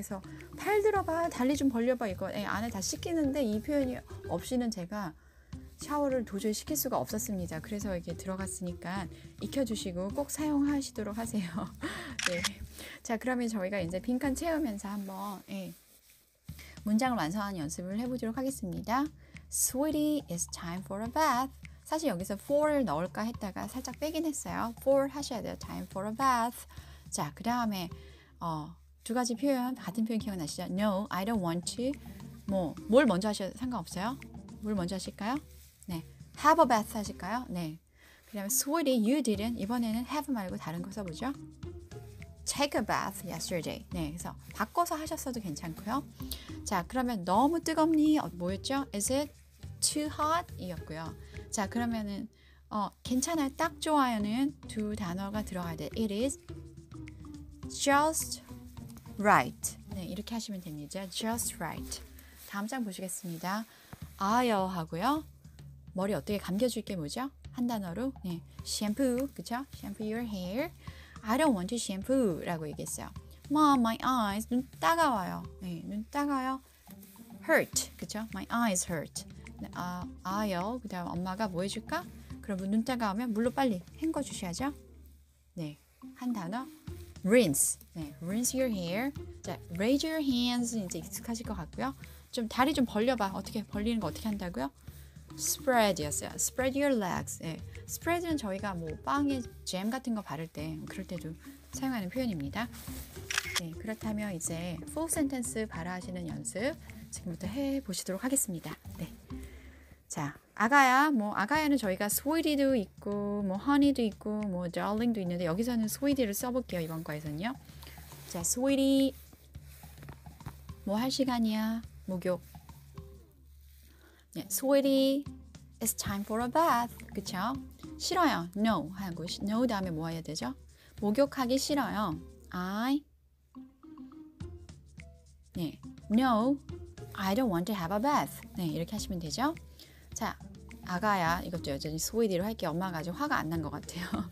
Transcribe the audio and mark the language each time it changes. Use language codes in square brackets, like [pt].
[ko] 그래서 팔 들어봐 다리 좀 벌려봐 이거 안에 다 씻기는데 이 표현이 없이는 제가 샤워를 도저히 시킬 수가 없었습니다. 그래서 이게 들어갔으니까 익혀주시고 꼭 사용하시도록 하세요. 네. 자, 그러면 저희가 이제 빈칸 채우면서 한번 문장을 완성하는 연습을 해보도록 하겠습니다. [en] Sweetie, it's time for a bath. [ko] 사실 여기서 for를 넣을까 했다가 살짝 빼긴 했어요. [en] for [ko] 하셔야 돼요. [en] time for a bath. [ko] 자, 그 다음에 두 가지 표현, 같은 표현 기억나시죠? [en] No, I don't want to. [ko] 뭐, 뭘 먼저 하셔도 상관없어요? 뭘 먼저 하실까요? [en] 네, have a bath [ko] 하실까요? 네, 그 다음에 [en] sweetie, you didn't. [ko] 이번에는 have 말고 다른 거 써보죠. [en] take a bath yesterday. [ko] 네, 그래서 바꿔서 하셨어도 괜찮고요. 자, 그러면 너무 뜨겁니? 뭐였죠? [en] is it too hot [ko] 이었고요. 자, 그러면은 괜찮아, 딱 좋아요는 두 단어가 들어가야 돼. [en] It is just right. [ko] 네, 이렇게 하시면 됩니다. [en] Just right. [ko] 다음 장 보시겠습니다. 아요 하고요. 머리 어떻게 감겨줄 게 뭐죠? 한 단어로. 네, shampoo, 그쵸? [en] Shampoo your hair. I don't want to shampoo [ko] 라고 얘기했어요. [en] Mom, my eyes. [ko] 눈 따가워요. 네, 눈 따가워요. Hurt, 그쵸? [en] My eyes hurt. [ko] 아요. 그 다음 엄마가 뭐 해줄까? 그러면 눈 따가우면 물로 빨리 헹궈주셔야죠. 네, 한 단어. Rinse. 네, [en] rinse your hair. 자, raise your hands. [ko] 이제 익숙하실 것 같고요. 좀 다리 좀 벌려봐. 어떻게 벌리는 거 어떻게 한다고요? [en] Spread였어요. Spread your legs. 네. [ko] Spread는 저희가 뭐 빵에 잼 같은 거 바를 때 그럴 때도 사용하는 표현입니다. 네, 그렇다면 이제 full sentence 발화하시는 연습 지금부터 해보시도록 하겠습니다. 네. 자, 아가야. 뭐 아가야는 저희가 sweetie도 있고 뭐 honey도 있고 뭐 darling도 있는데 여기서는 sweetie를 써볼게요. 이번 과에서는요. 자, sweetie 뭐 할 시간이야? 목욕. [en] Yeah, sweetie, it's time for a bath. [ko] 그쵸? 싫어요. No 하고 no 다음에 뭐 해야 되죠? 목욕하기 싫어요. I. [en] Yeah, no, I don't want to have a bath. [ko] 네, 이렇게 하시면 되죠? 자, 아가야. 이것도 여전히 sweetie로 할게요. 엄마가 아직 화가 안 난 것 같아요.